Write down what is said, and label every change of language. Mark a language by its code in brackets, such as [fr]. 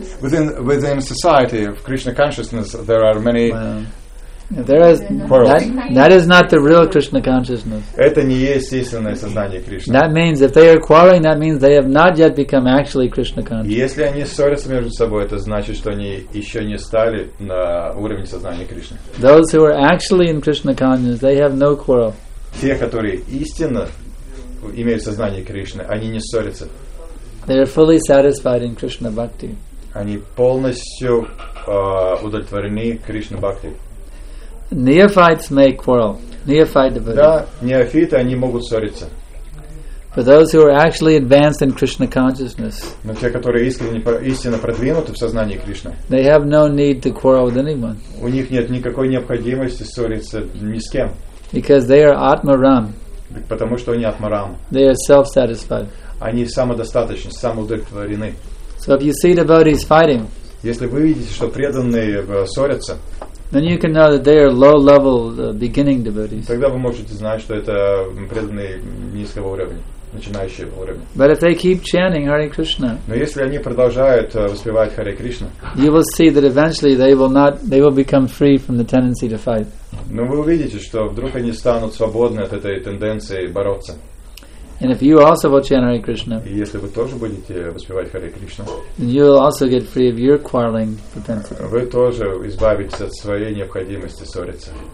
[en] Within society of Krishna consciousness there are many. That is not the real Krishna consciousness. [ru] Это не есть истинное сознание Кришны. [en] That means if they are quarreling, that means they have not yet become actually Krishna conscious. [ru] Если они ссорятся между собой, это значит, что они еще не стали на уровне сознания Кришны. [en] Those who are actually in Krishna consciousness, they have no quarrel. [ru] Те, которые истинно имеют сознание Кришны, они не ссорятся. [en] They are fully satisfied in Krishna bhakti. [ru] Они полностью удовлетворены Кришна бхакти. [en] Neophytes may quarrel. Neophyte devotees. [ru] Да, неофиты, они могут ссориться. [en] For those who are actually advanced in Krishna consciousness. [ru] Но те, которые истинно продвинуты в сознании Кришны. [en] They have no need to quarrel with anyone. [ru] У них нет никакой необходимости ссориться ни с кем. [en] Because they are Atmaram. [ru] Потому что они Атмарам. [en] They are self-satisfied. [ru] Они самодостаточны, самоудовлетворены. [en] So if you see devotees fighting. [ru] Если вы видите, что преданные ссорятся. [en] Then you can know that they are low-level beginning devotees. [ru] Тогда вы можете знать, что это преданные низкого уровня, начинающие уровня. [en] But if they keep chanting Hare Krishna. [ru] Но если они продолжают воспевать Харе Кришна. [en] You will see that eventually they will become free from the tendency to fight. [ru] Но вы увидите, что вдруг они станут свободны от этой тенденции бороться. [en] And if you also will chant Hare Krishna. [ru] И если вы тоже будете воспевать Харе Кришну. [en] Then you will also get free of your quarreling potential. [ru] Вы тоже избавитесь от своей необходимости ссориться.